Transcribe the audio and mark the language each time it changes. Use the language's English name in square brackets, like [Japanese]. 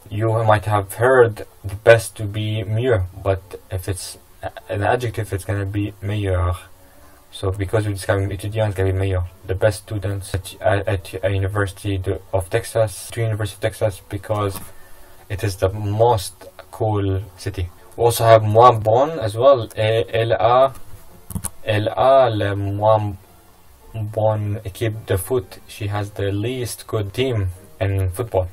[English] You might have heard the best to be mieux, but if it's an adjective, it's going to be meilleur. So because we're describing étudiants, it's going to be meilleur. The best students at a University of Texas, to University of Texas, because it is the most cool city. We also have moins bon as well. [French] Elle a la moins bonne équipe de foot. [English] She has the least good team in football.